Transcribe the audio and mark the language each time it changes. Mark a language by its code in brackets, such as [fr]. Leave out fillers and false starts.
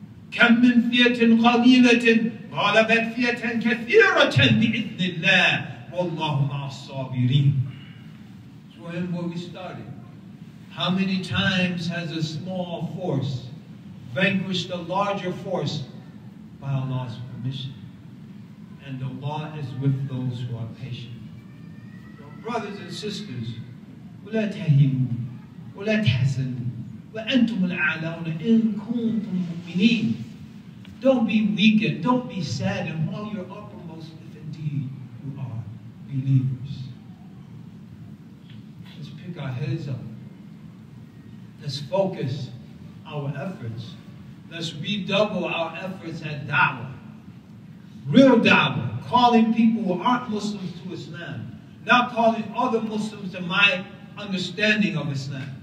[ar] كَمْ مِنْ فِيَةٍ قَلِيلَةٍ غَلَبَتْ فِيَةً كَثِيرَةً بِإِذْنِ اللَّهِ وَاللَّهُ مَعَ الصَّابِرِينَ. [en] So we're in where we started. How many times has a small force vanquished a larger force by Allah's permission? And Allah is with those who are patient. So brothers and sisters, [ar] وَلَا تَهِمُوا وَلَا تَحْزَنُوا وَأَنْتُمُ الْعَلَوْنَ إِنْ كُنْتُمْ مُؤْمِنِينَ. [en] Don't be weakened. Don't be sad in all your uppermost if indeed you are believers. Let's pick our heads up. Let's focus our efforts Let's redouble our efforts at da'wah. Real da'wah, calling people who aren't Muslims to Islam, not calling other Muslims to my understanding of Islam.